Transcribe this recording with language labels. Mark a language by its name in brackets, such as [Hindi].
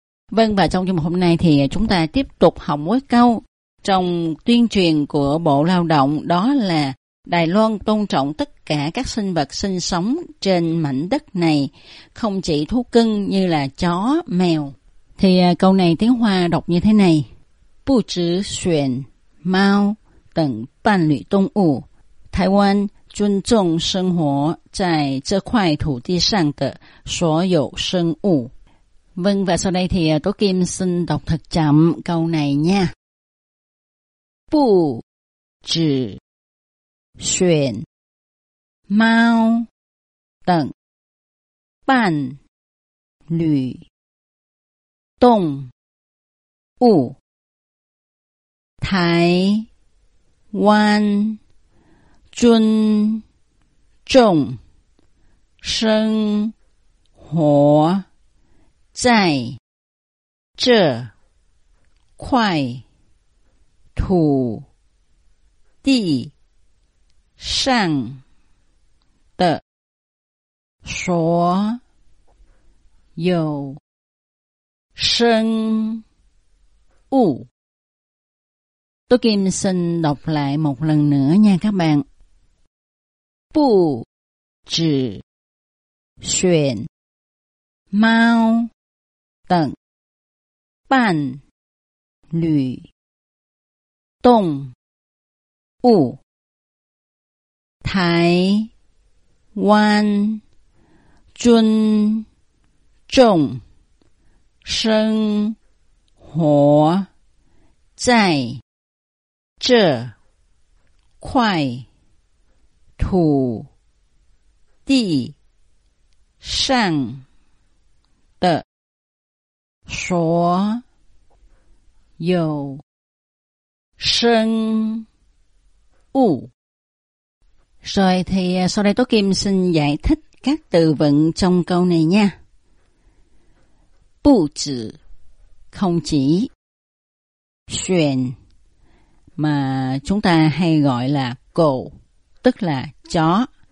[Vietnamese] Vâng, và trong chương trình hôm nay thì chúng ta tiếp tục học mỗi câu trong tuyên truyền của Bộ Lao động, đó là Đài Loan tôn trọng tất cả các sinh vật sinh sống trên mảnh đất này, không chỉ thú cưng như là chó, mèo. Thì câu này tiếng Hoa đọc như thế này. [Chinese] 不只选猫等伴侣动物，台湾尊重生活在这块土地上的所有生物。 [Vietnamese] Vâng, và sau đây thì Tố Kim xin đọc thật chậm câu này nha. [Chinese] 不只选猫等伴侣动物，台湾尊重生活在这块土地上的所有生物。 [Vietnamese] Tố Kim xin đọc lại một lần nữa nha các bạn. [Chinese] 不只选猫等伴侣动物，台湾尊重生活在这块土地上的所有生物。 [Vietnamese] Rồi thì sau đây Tố Kim xin giải thích các từ vựng trong câu này nha. 不只, không chỉ, 选, mà chúng ta hay gọi là cậu, tức là chó.